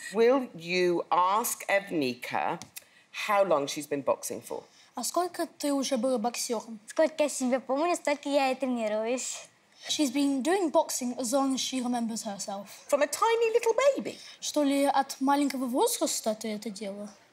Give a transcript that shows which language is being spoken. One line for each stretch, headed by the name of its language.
English: Will you ask Evnika how long she's been boxing for?
Russian: А сколько ты уже была боксером? Сколько я себя помню, столько я и тренируюсь.
English: She's been doing boxing as long as she remembers herself. From a tiny little baby.
Russian: Что ли от маленького возраста ты это делала?